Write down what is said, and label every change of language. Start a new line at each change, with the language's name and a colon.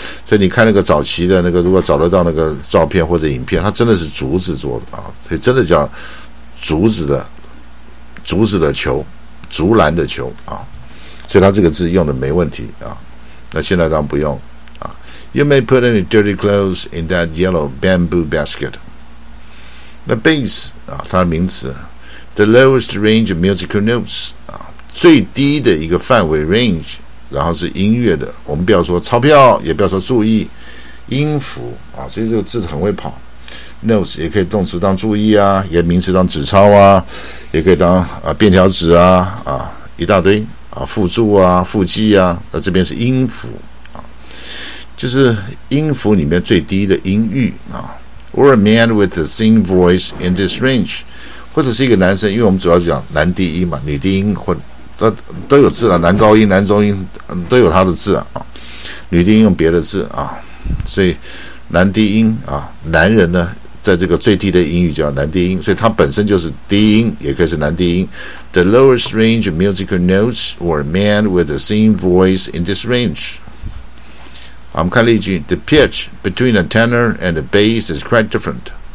Chinese: 所以你看那个早期的那个，如果找得到那个照片或者影片，它真的是竹子做的啊，所以真的叫竹子的球，竹篮的球啊。所以他这个字用的没问题啊，那现在当然不用啊。
English: You may put any dirty clothes in that yellow bamboo basket.
Chinese: 那 bass 啊，它的名词 ，
English: the lowest range of musical notes
Chinese: 啊，最低的一个范围 range， 然后是音乐的。我们不要说钞票，也不要说注意音符啊，所以这个字很会跑。 notes 也可以动词当注意啊，也名词当纸钞啊，也可以当啊便条纸啊一大堆。啊，附注啊，附记啊，那这边是音符啊，就是音符里面最低的音域啊。
English: Or a man with a thin voice in this range，
Chinese: 或者是一个男生，因为我们主要讲男低音嘛，女低音或都有字了、啊，男高音、男中音、都有他的字 啊。女低音用别的字啊，所以男低音啊，男人呢，在这个最低的音域叫男低音，所以他本身就是低音，也可以是男低音。
English: The lowest range of musical notes or a man with the same voice in this range.
Chinese: 我们看例句
English: The pitch between a tenor and a bass is quite different.